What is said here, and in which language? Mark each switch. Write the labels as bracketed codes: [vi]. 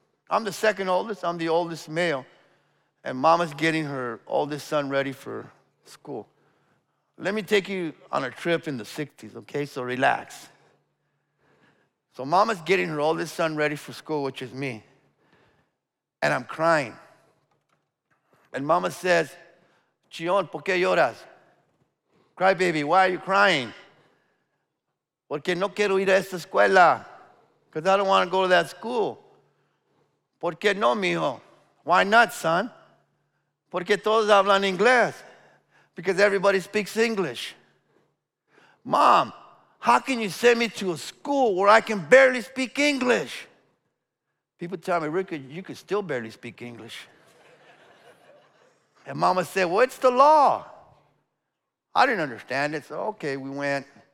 [en] I'm the second oldest, I'm the oldest male. And mama's getting her oldest son ready for school. Let me take you on a trip in the 60s, okay? So relax. So mama's getting her oldest son ready for school, which is me. And I'm crying. And mama says, Chion, [es] ¿por qué lloras? [en] Cry baby, why are you crying? [es] Porque no quiero ir a esta escuela. [en] Because I don't want to go to that school. [es] ¿Por qué no, mijo? [en] Why not, son? [es] Porque todos hablan inglés. [en] Because everybody speaks English. Mom, how can you send me to a school where I can barely speak English? People tell me, Rick, you can still barely speak English. And mama said, well, it's the law. I didn't understand it. So, okay, we went.